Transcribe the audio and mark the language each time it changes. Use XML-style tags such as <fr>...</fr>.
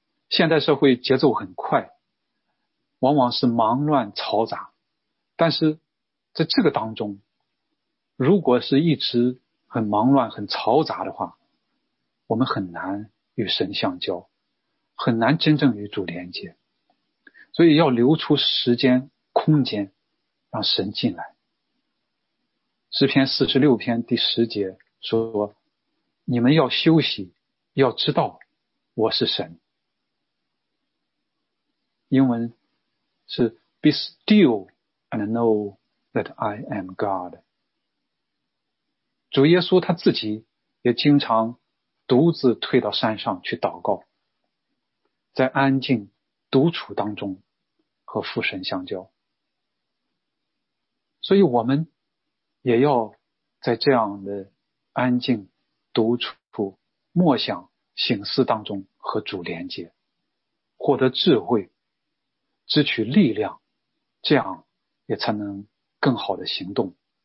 <zh>现代社会节奏很快，往往是忙乱嘈杂，但是在这个当中，如果是一直很忙乱很嘈杂的话，我们很难与神相交，很难真正与主连接。所以要留出时间空间让神进来。诗篇四十六篇第十节说，你们要休息，要知道我是神。英文是</zh> <en>Be still and know that I am God。</en> <zh>主耶稣他自己也经常独自退到山上去祷告，在安静独处当中和父神相交。所以我们也要在这样的安静独处默想醒思当中和主连结，获得智慧，支取力量，这样也才能更好的行动。</zh>